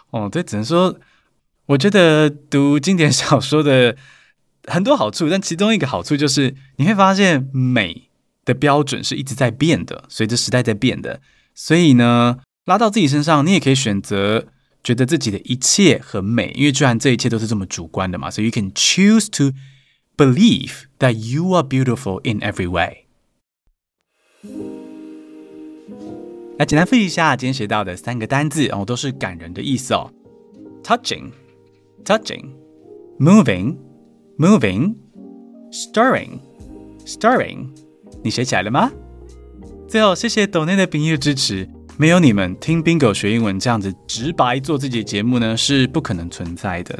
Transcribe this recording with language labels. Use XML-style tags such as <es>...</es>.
<zh>对，只能说我觉得读经典小说的很多好处，但其中一个好处就是你会发现美的标准是一直在变的，随着时代在变的，所以呢拉到自己身上，你也可以选择觉得自己的一切很美，因为居然这一切都是这么主观的嘛。</zh> <en>So you can choose to believe that you are beautiful in every way.</en> <zh>来简单复习一下今天学到的三个单字、哦、都是感人的意思哦。</zh> <en>Touching, touching, moving, moving, stirring, stirring.</en> <zh>你学起来了吗？最后，谢谢抖内的秉义支持。没有你们，听 Bingo 学英文这样子直白做自己的节目呢，是不可能存在的。</zh>